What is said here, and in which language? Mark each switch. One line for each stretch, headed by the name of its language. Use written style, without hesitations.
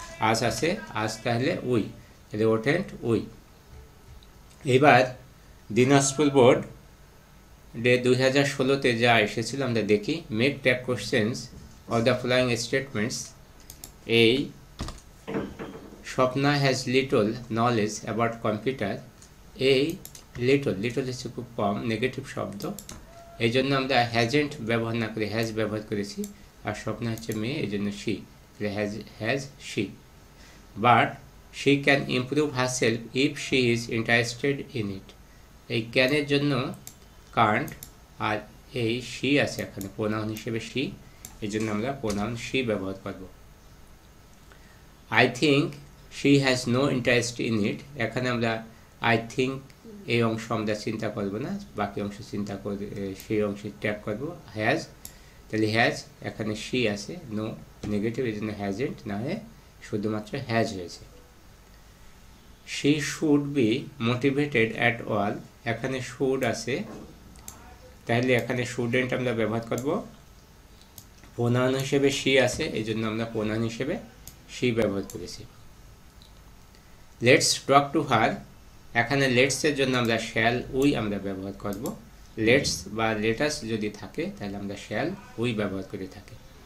Bangla: আস আছে আস তাহলে উই, তাহলে ওটেন্ট উই। এবার দিনাজপুর বোর্ড ডে 2016 যা এসেছিল আমরা দেখি।
English: Make tag questions of the following statements, এই Swapna has little knowledge about computer. A little, little is
Bangla: খুব কম,
English: negative শব্দ।
Bangla: এই জন্য আমরা hasn't ব্যবহার না করে has ব্যবহার করেছি। আর Swapna হচ্ছে মেয়ে, এই জন্য she, তাহলে has she.
English: But she can improve herself if she is interested in it.
Bangla: এই can-এর জন্য can't আর এই she আছে এখানে pronoun হিসেবে she, এই জন্য আমরা pronoun she ব্যবহার করব।
English: I think she has no interest in it.
Bangla: এখানে আমরা I think এই অংশ আমরা চিন্তা করব না, বাকি অংশ চিন্তা করে সেই অংশে ট্যাপ করব has, তাহলে has এখানে she আছে, no negative, এই জন্য hasn't না, শুধুমাত্র has হয়েছে।
English: She should be motivated at all.
Bangla: এখানে should আছে, তাহলে এখানে shouldn't আমরা ব্যবহার করব, pronoun হিসেবে she আছে, এই জন্য আমরা pronoun হিসেবে she ব্যবহার করেছি।
English: Let's talk to her.
Bangla: এখানে let's এর জন্য আমরা shall we আমরা ব্যবহার করব, let's বা let us যদি থাকে তাহলে আমরা shall we ব্যবহার করে থাকি।